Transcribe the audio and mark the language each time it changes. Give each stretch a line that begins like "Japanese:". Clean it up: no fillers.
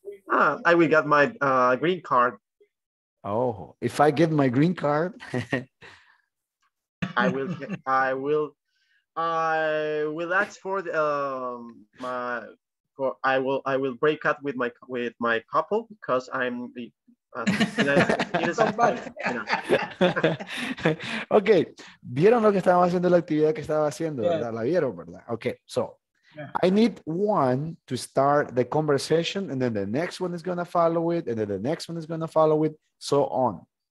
English: I will get my green card. Oh, if I get my green card, I will ask for the, my for I will break up with my couple because I'm the
Spanish: ok, ¿vieron lo que estaba haciendo, la actividad que estaba haciendo? Yeah. La vieron, ¿verdad?
English: Ok, so yeah. I need one to start the conversation and then the next one is going to follow it and then the next one is going to follow it, so on.